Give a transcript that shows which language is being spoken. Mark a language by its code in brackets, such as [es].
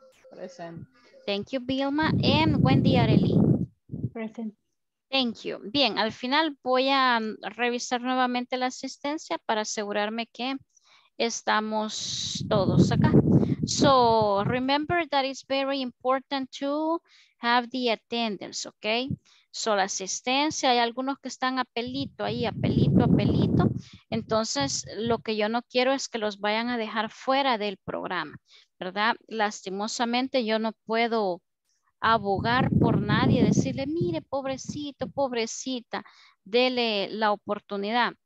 [en] Present. Thank you, Vilma. And Wendy Arely. Present. Thank you. [es] Bien, al final voy a revisar nuevamente la asistencia para asegurarme que estamos todos acá. [en] So, remember that it's very important to have the attendance, okay? [es] So, la asistencia, hay algunos que están a pelito ahí, a pelito. Entonces, lo que yo no quiero es que los vayan a dejar fuera del programa, ¿verdad? Lastimosamente, yo no puedo abogar por nadie, decirle, mire, pobrecito, pobrecita, dele la oportunidad.